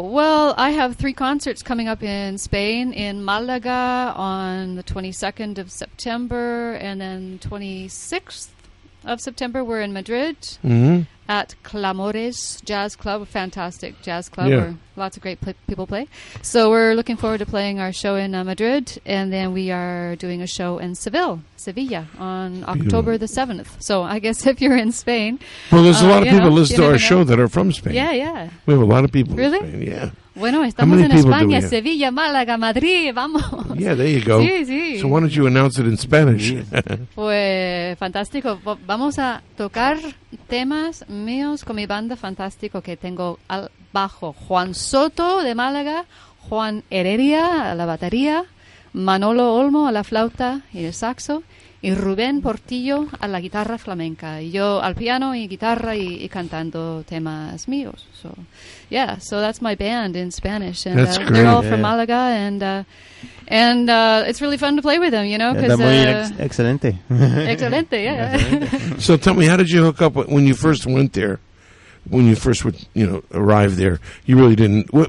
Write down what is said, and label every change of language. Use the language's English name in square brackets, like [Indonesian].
[English] Well, I have 3 concerts coming up in Spain, in Malaga on the 22nd of September, and then 26th of September we're in Madrid at Clamores Jazz Club, a fantastic jazz club where lots of great people play. So we're looking forward to playing our show in Madrid, and then we are doing a show in Sevilla on October the 7th. So I guess if you're in Spain. Well, there's a lot of people listening to our show that are from Spain. Yeah, yeah. We have a lot of people really? In Spain, yeah. [Spanish] Bueno, estamos en España, Sevilla, Málaga, Madrid, vamos. [English] Yeah, there you go. [Spanish] Sí, sí. [English] So why don't you announce it in Spanish? [Spanish] Pues, fantástico. Vamos a tocar temas míos con mi banda fantástico que tengo al bajo. Juan Soto, de Málaga, Juan Heredia, a la batería, Manolo Olmo, a la flauta y el saxo, y Rubén Portillo, a la guitarra flamenca. Y yo al piano y guitarra y cantando temas míos. [English] So, yeah, so that's my band in Spanish. And that's great. They're all yeah. from Malaga, and it's really fun to play with them, you know. [Spanish] Cause, excelente. Excelente, yeah. [English] So tell me, how did you hook up when you first went there? When you first would, you know, arrive there, you really didn't.